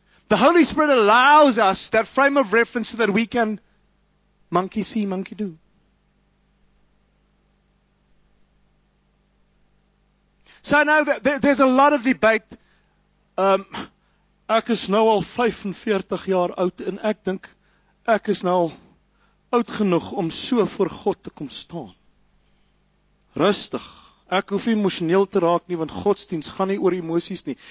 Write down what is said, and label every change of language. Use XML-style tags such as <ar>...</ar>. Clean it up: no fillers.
<en>The Holy Spirit allows us that frame of reference so that we can monkey see, monkey do. So I know that there's a lot of debate.</en> <af>Ek is nou al 45 jaar oud en ek dink, ek is nou oud genoeg om so voor God te kom staan. Rustig. Ek hoef nie emosioneel te raak nie, want godsdienst gaan nie oor emosies nie.</af>